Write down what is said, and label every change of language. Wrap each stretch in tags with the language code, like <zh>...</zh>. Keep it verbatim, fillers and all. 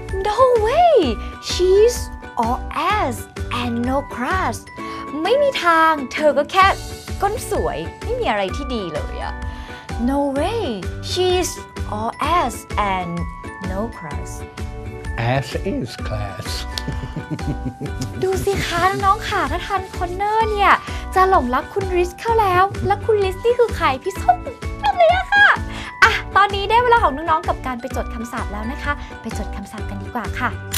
<en>No way. She's all ass and no class.</en> <th>ไม่มีทางเธอก็แค่ก้นสวยไม่มีอะไรที่ดีเลยอะ</th> <en>No way she's all ass and no class Ass is class</en> <th>ดูสิคะน้องๆค่ะถ้าทันคอนเนอร์เนี่ยจะหลงรักคุณริสเข้าแล้วและคุณริสนี่คือใครพี่ส้มทำเลยอะค่ะอ่ะตอนนี้ได้เวลาของน้องๆกับการไปจดคำศัพท์แล้วนะคะไปจดคำศัพท์กันดีกว่าค่ะ</th>